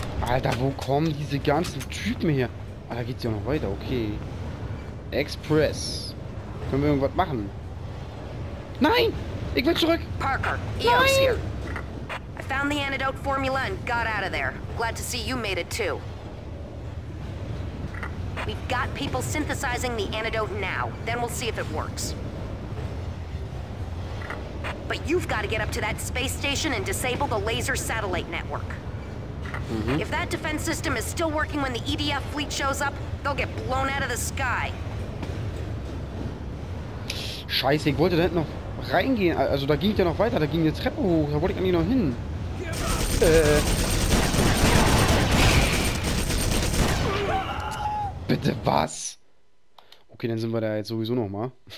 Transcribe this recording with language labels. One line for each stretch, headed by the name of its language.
German: Alter, wo kommen diese ganzen Typen her? Ah, da geht's ja noch weiter, okay. Express. Können wir irgendwas machen? Nein! Ich will zurück!
English: Parker, Eos hier! I found the antidote formula and got out of there. Glad to see you made it too. We've got people synthesizing the antidote now. Then we'll see if it works. But you've got to get up to that space station and disable the laser satellite network. If that defense system is still working when the EDF fleet shows up, they'll get blown out of the sky.
German: Scheiße, ich wollte da hinten noch reingehen. Also da ging ich ja noch weiter, da ging die Treppe hoch. Da wollte ich eigentlich noch hin. Bitte was? Okay, dann sind wir da jetzt sowieso nochmal.